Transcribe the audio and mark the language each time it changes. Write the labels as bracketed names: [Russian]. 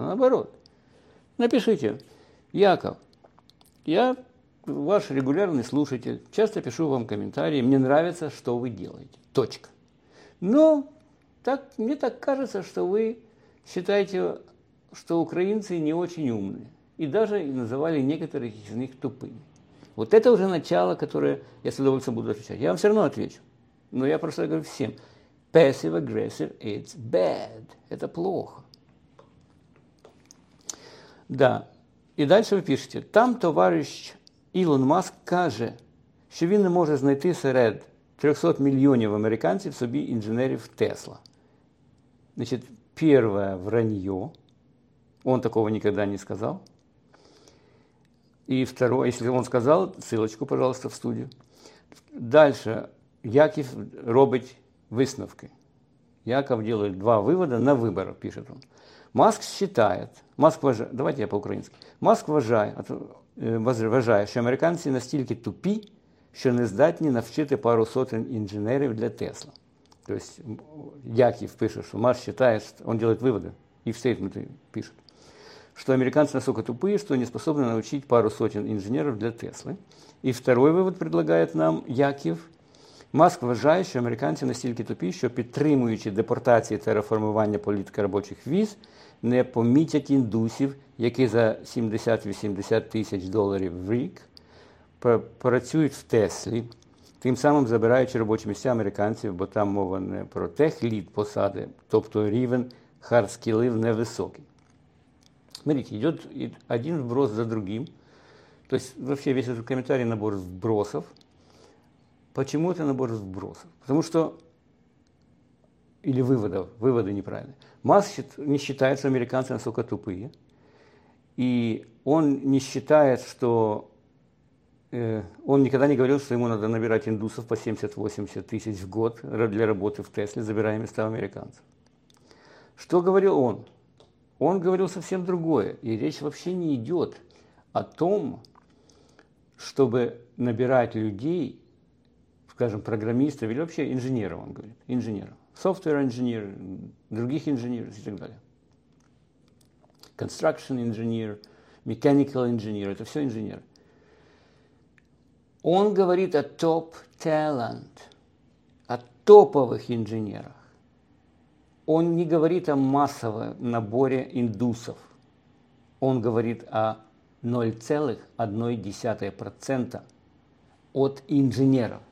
[Russian] Наоборот, напишите: «Яков, я ваш регулярный слушатель, часто пишу вам комментарии, мне нравится, что вы делаете. Точка. Но так, мне так кажется, что вы считаете, что украинцы не очень умные, и даже называли некоторых из них тупыми». Вот это уже начало, которое я с удовольствием буду отвечать. Я вам все равно отвечу. Но я просто говорю всем. [English] Passive-aggressive – it's bad. [Russian] Это плохо. Да. И дальше вы пишете. [Ukrainian] Там товарищ Ілон Маск каже, що він не може знайти серед 300 мільйонів американців собі інженерів Тесла. Значить, перше вранье. [Russian] Он такого [Ukrainian] ніколи не сказав. [Russian] И второе, если он сказал, ссылочку, пожалуйста, в студию. [Ukrainian] Дальше Яків робить висновки. [Russian] Яків делает два вывода на выбор, пишет он. Маск считает, [Ukrainian] Маск вважає, [Russian] давайте я по-українськи. [Ukrainian] Маск вважає, що американці настільки тупі, що не здатні навчити пару сотень інженерів для Тесла. [Russian] То есть [Ukrainian] Яків пише, що [Russian] Маск считает, он делает выводы, и в стейтменты пишет, что американцы настолько тупые, что не способны научить пару сотен инженеров для Теслы. И второй вывод предлагает нам Яків. [Ukrainian] Маск вважає, що американці настільки тупі, що підтримуючи депортації та реформування політики робочих віз, не помітять індусів, які за 70-80 тисяч доларів в рік працюють в Теслі, тим самим забираючи робочі місця американців, бо там мова не про техлід посади, тобто рівень хардскілів невисокий. [Russian] Смотрите, идет один вброс за другим. То есть вообще весь этот комментарий – набор вбросов. Почему это набор вбросов? Потому что… Или выводов. Выводы неправильные. Маск не считает, что американцы настолько тупые. И он не считает, что… он никогда не говорил, что ему надо набирать индусов по 70-80 тысяч в год для работы в Тесле, забирая места у американцев. Что говорил он? Он говорил совсем другое, и речь вообще не идет о том, чтобы набирать людей, скажем, программистов или вообще инженеров, он говорит, инженеров, [English] software engineer, [Russian] других инженеров и так далее. [English] Construction engineer, mechanical engineer, [Russian] это все инженеры. Он говорит о [English] top talent, [Russian] о топовых инженерах. Он не говорит о массовом наборе индусов. Он говорит о 0,1% от инженеров.